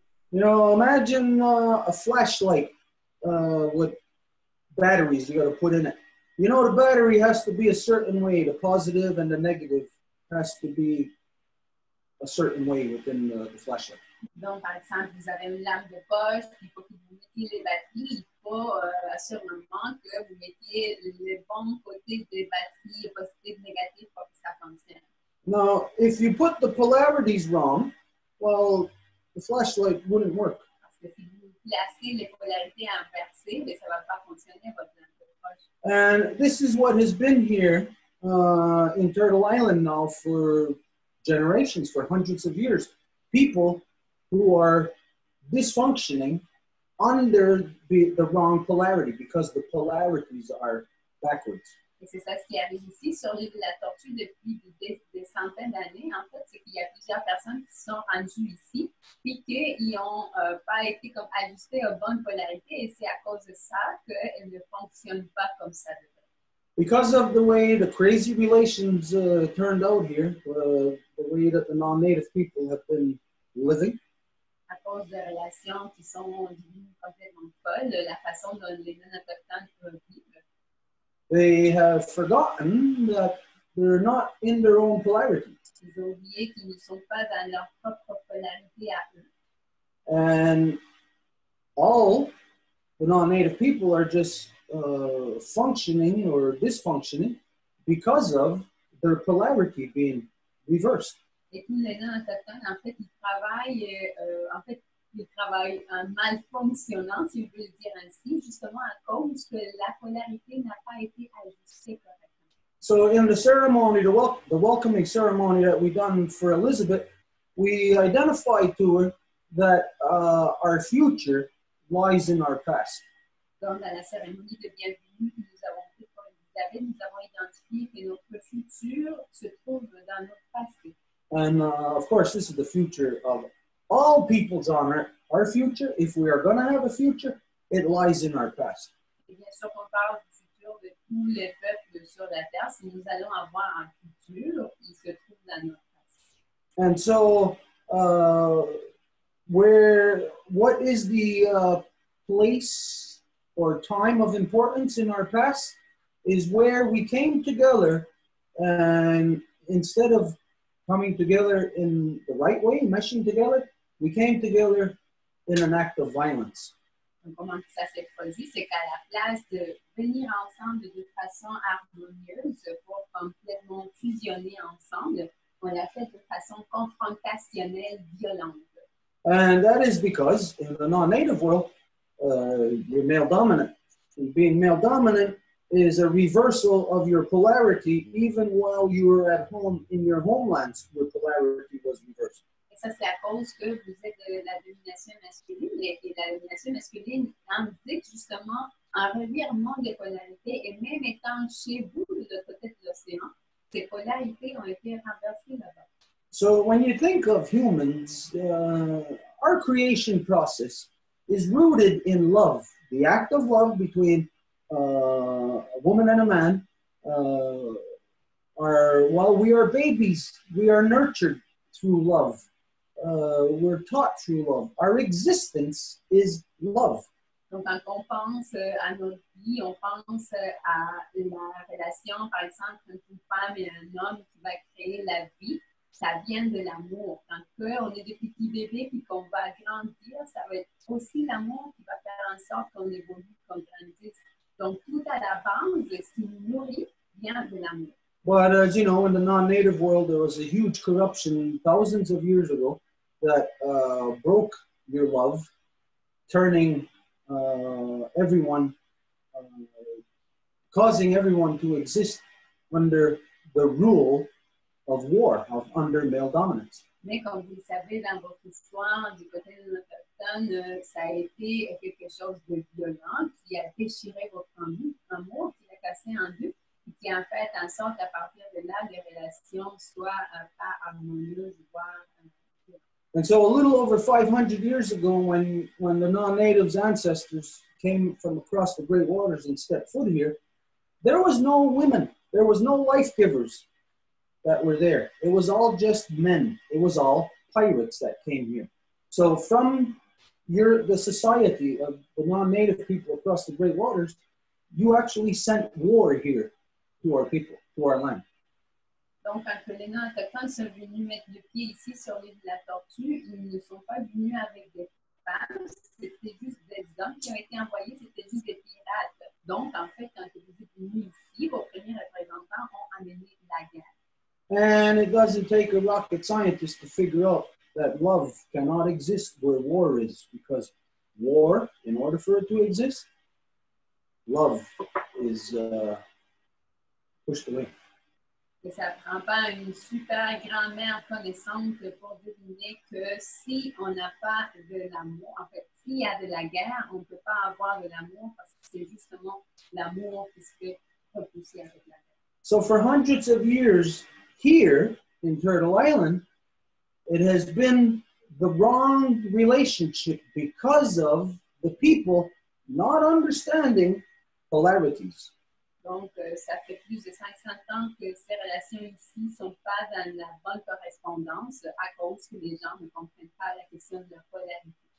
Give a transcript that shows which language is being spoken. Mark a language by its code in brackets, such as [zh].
[en] You know, imagine a flashlight with batteries you got to put in it. You know, the battery has to be a certain way, the positive and the negative has to be a certain way within the flashlight. [fr] Donc, par exemple, vous avez une lampe de poche, il faut que vous mettiez les batteries, il faut assurément que vous mettiez le bon côté des batteries, positif, négatif, pour que ça fonctionne. [en] Now, if you put the polarities wrong, well, the flashlight wouldn't work. [fr] Parce que si vous placez les polarités inversées, mais ça ne va pas fonctionner, votre lampe de poche. [en] And this is what has been here in Turtle Island now for generations, for hundreds of years. People who are dysfunctioning under the wrong polarity because the polarities are backwards. [fr] Et c'est ça ce qui arrive ici sur l'île de la Tortue depuis des centaines d'années. En fait, c'est qu'il y a plusieurs personnes qui sont rendues ici puis qu'ils n'ont pas été comme ajustés aux bonnes polarités et c'est à cause de ça qu'elles ne fonctionnent pas comme ça. [en] Because of the way the crazy relations turned out here, the way that the non-native people have been living. [fr] À cause des relations qui sont complètement folles, la façon dont les non-autochtones peuvent vivre. [en] They have forgotten that they're not in their own polarity. [fr] Ils ont oublié qu'ils ne sont pas dans leur propre polarité à eux. [en] And all the non-native people are just functioning or dysfunctioning because of their polarity being reversed. [fr] Et tous les non-autochtones, en fait, ils travaillent en mal fonctionnant, si je veux le dire ainsi, justement à cause que la polarité n'a pas été ajustée correctement. [en] So in the ceremony, the welcoming ceremony that we've done for Elizabeth, we identified to her that our future lies in our past. [fr] Donc, dans la cérémonie de bienvenue que nous avons fait pour Elizabeth, nous avons identifié que notre futur se trouve dans notre passé. [en] And of course, this is the future of all peoples on earth. Our future, if we are going to have a future, it lies in our past. [fr] Et bien sûr, on parle du futur de tous les peuples sur la terre. Si nous allons avoir un futur, il se trouve dans notre passé. [en] And so, what is the place or time of importance in our past is where we came together and instead of coming together in the right way, meshing together, we came together in an act of violence. [fr] comment ça s'est produit, c'est qu'à la place de venir ensemble de façon harmonieuse pour complètement fusionner ensemble, on l'a fait de façon confrontationnelle, violente. [en] And that is because in the non-native world, you're male dominant. And being male dominant is a reversal of your polarity, even while you were at home in your homelands, your polarity was reversed. [fr] Et ça, c'est à cause que vous êtes de la domination masculine, et la domination masculine implique justement un revirement de polarité, et même étant chez vous, de l'autre côté de l'océan, ces polarités ont été renversées là-bas. [en] So when you think of humans, our creation process is rooted in love, the act of love between a woman and a man. While we are babies, we are nurtured through love. We're taught through love. Our existence is love. [fr] Donc quand on pense à notre vie, on pense à la relation, par exemple, entre une femme et un homme qui va créer la vie. Ça vient de l'amour. Tant qu'on est des petits bébés puis qu'on va grandir, ça va être aussi l'amour qui va faire en sorte qu'on évolue, qu'on grandisse. Donc, tout à la base, ce qui nous nourrit vient de l'amour. [en] But, as you know, in the non-native world, there was a huge corruption thousands of years ago that broke your love, turning everyone, causing everyone to exist under the rule of war, of under male dominance. [fr] Mais comme vous le savez dans votre histoire, du côté de notre personne, ça a été quelque chose de violent qui a déchiré votre amour, qui l'a cassé en deux, et qui en fait en sorte à partir de là, les relations soient pas harmonieuses, voire. [en] And so, a little over 500 years ago, when the non-natives ancestors came from across the great waters and stepped foot here, there was no women, there was no life givers that were there. It was all just men. It was all pirates that came here. So from the society of the non-native people across the Great Waters, you actually sent war here to our people, to our land. [fr] Donc, quand les non-autochtones sont venus mettre le pied ici sur l'île de la Tortue, ils ne sont pas venus avec des femmes, c'était juste des hommes qui ont été envoyés, c'était juste des pirates. Donc, en fait, quand ils sont venus ici, vos premiers représentants ont amené la guerre. [en] And it doesn't take a rocket scientist to figure out that love cannot exist where war is, because war, in order for it to exist, love is pushed away. [fr] Et ça prend pas une super grand-mère connaissante pour deviner que si on n'a pas de l'amour, en fait, s'il y a de la guerre, on peut pas avoir de l'amour parce que c'est justement l'amour qui se fait repousser avec la guerre. [en] So for hundreds of years, here in Turtle Island, it has been the wrong relationship because of the people not understanding polarities. [fr] Donc, ça fait plus de 500 ans que ces relations ici sont pas dans la bonne correspondance à cause que les gens ne comprennent pas la question de la polarité.